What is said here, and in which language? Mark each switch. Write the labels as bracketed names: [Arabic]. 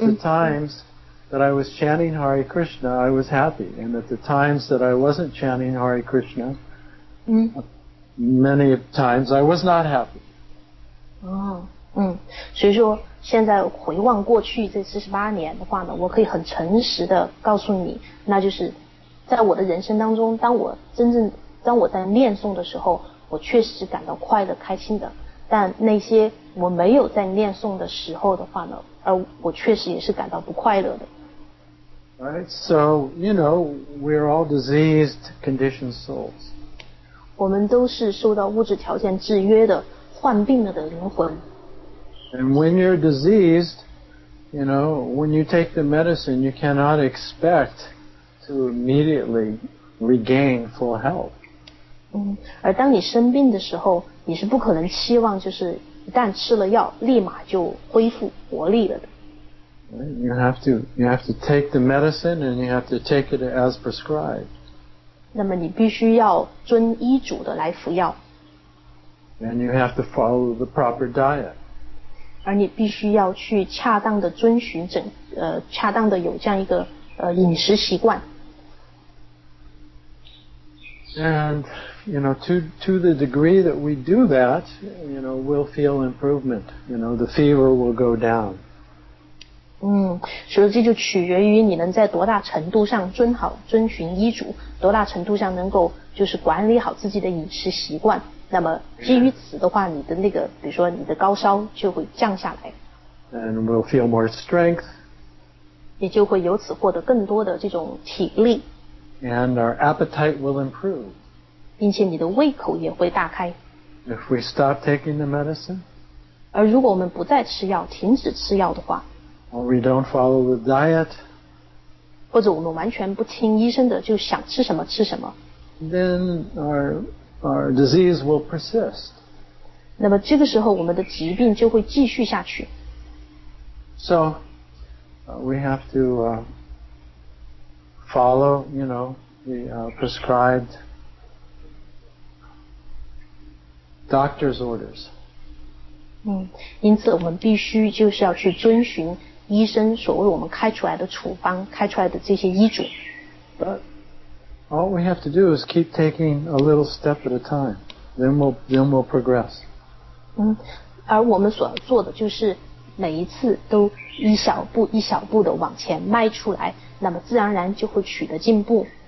[English] the times that I was chanting Hare Krishna, I was happy, and at the times that I wasn't chanting Hare Krishna, many times I was not happy. [Chinese] 所以说现在回望过去这48年的话呢，我可以很诚实的告诉你，那就是在我的人生当中，当我在念诵的时候，我确实是感到快乐开心的，但那些我没有在念诵的时候的话呢，而我确实也是感到不快乐的。 [English] Right, so, you know, we're all diseased conditioned souls. [Chinese] 我们都是受到物质条件制约的患病了的灵魂。 [English] And when you're diseased, you know, when you take the medicine, you cannot expect to immediately regain full health. [Chinese] 而当你生病的时候，你是不可能期望就是一旦吃了药立马就恢复活力了的。 [English] You have to take the medicine and you have to take it as prescribed. [Chinese] 那么你必须要遵医嘱的来服药。 [English] And you have to follow the proper diet. [Chinese] 而你必须要去恰当的遵循整恰当的有这样一个饮食习惯。 [English] And you know, to the degree that we do that, you know, we'll feel improvement. You know, the fever will go down. [Chinese] 所以这就取决于你能在多大程度上遵循医嘱，多大程度上能够就是管理好自己的饮食习惯。那么基于此的话，你的那个，比如说你的高烧就会降下来。 [English] And we'll feel more strength. [Chinese] 你就会由此获得更多的这种体力。 [English] And our appetite will improve. [Chinese] 并且你的胃口也会大开。 [English] If we stop taking the medicine. [Chinese] 而如果我们不再吃药，停止吃药的话。 [English] Or we don't follow the diet. [Chinese] 或者我们完全不听医生的，就想吃什么吃什么。 [English] Then our disease will persist. [Chinese] 那么这个时候我们的疾病就会继续下去。 [English] So, we have to follow, you know, the prescribed doctor's orders. [Chinese] 因此我们必须就是要去遵循医生所为我们开出来的处方，开出来的这些医嘱。 [English] All we have to do is keep taking a little step at a time. Then we'll progress. [Chinese] 而我们所做的就是每一次都一小步一小步的往前迈出来，那么自然而然就会取得进步。